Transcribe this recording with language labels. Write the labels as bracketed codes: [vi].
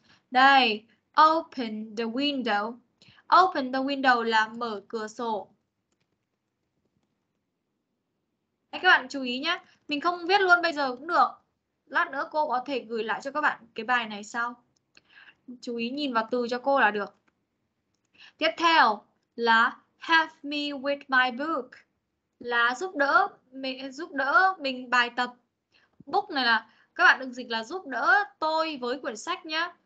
[vi] Đây. [en] Open the window. Open the window [vi] là mở cửa sổ. Đấy, các bạn chú ý nhé. Mình không viết luôn bây giờ cũng được. Lát nữa cô có thể gửi lại cho các bạn cái bài này sau. Chú ý nhìn vào từ cho cô là được. Tiếp theo là [en] help me with my book. [vi] Là giúp đỡ mình bài tập. Book này là các bạn đừng dịch là giúp đỡ tôi với quyển sách nhé.